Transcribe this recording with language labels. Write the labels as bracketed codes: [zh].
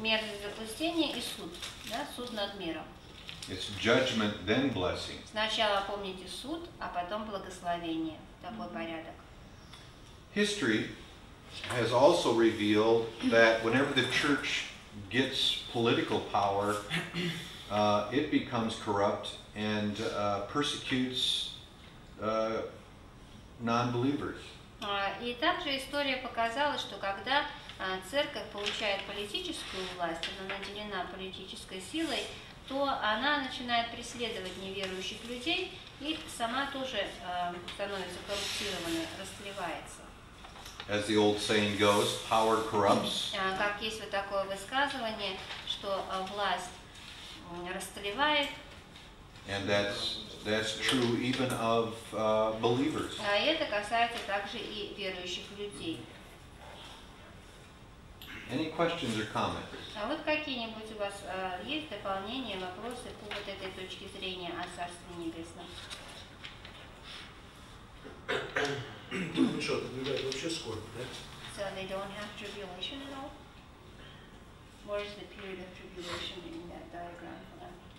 [ru] Мерзость запустения и суд, да, суд над миром. [en] It's judgment, then blessing. [ru] Сначала помните суд, а потом благословение. Такой порядок. [en] History has also revealed that whenever the church gets political power, it becomes corrupt and persecutes non-believers. [ru] И также история показала, что когда церковь получает политическую власть, она наделена политической силой, то она начинает преследовать неверующих людей и сама тоже становится коррумпированной, расплевается. [en] As the old saying goes, power corrupts. [ru] Как есть вот такое высказывание, что власть расплевает. [en] And that's true even of believers. [ru] А это касается также и верующих людей. [en] Any questions or comments? [ru] А вот какие-нибудь у вас есть дополнения, вопросы по вот этой точке зрения о Царстве Небесном? Ну что, наблюдать вообще скорбь, да? [en] So they don't have tribulation at all? What is the period of tribulation in that diagram for them?